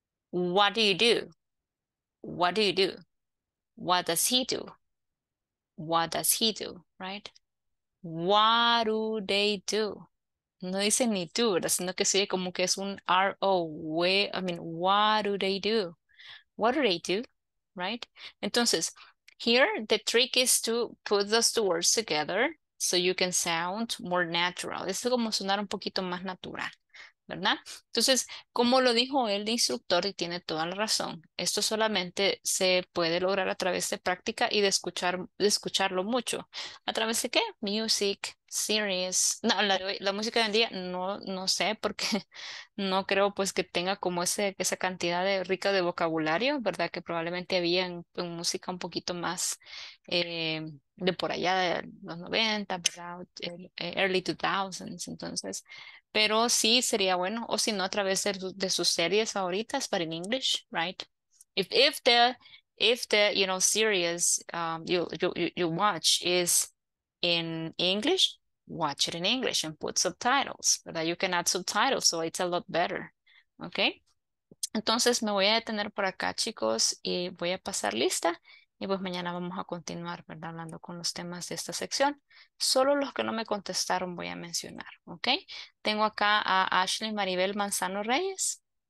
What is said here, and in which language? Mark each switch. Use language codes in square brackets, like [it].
[en] What do you do? What do you do? What does he do? What does he do? Right? What do they do? [es] No dice ni tú, sino que sigue como que es un R-O. [en] What do they do? What do they do? Right? Entonces, here the trick is to put those two words together so you can sound more natural. [es] Es como sonar un poquito más natural, ¿verdad? Entonces, como lo dijo el instructor y tiene toda la razón, esto solamente se puede lograr a través de práctica y de escucharlo mucho. ¿A través de qué? [en] Music. Series. [es] No, la música de hoy en día no sé, porque no creo pues que tenga como esa cantidad rica de vocabulario, ¿verdad? Que probablemente había en música un poquito más de por allá de los 90, ¿verdad? [en] Early 2000s, [es] entonces. Pero sí sería bueno, o si no, a través de sus series favoritas, [en] but in English, right? If the you know, series you watch is in English, watch it in English and put subtitles, ¿verdad? You can add subtitles, so it's a lot better, okay? [es] Entonces, me voy a detener por acá, chicos, y voy a pasar lista, y pues mañana vamos a continuar, ¿verdad? Hablando con los temas de esta sección. Solo los que no me contestaron voy a mencionar, okay? Tengo acá a Ashley Maribel Manzano Reyes.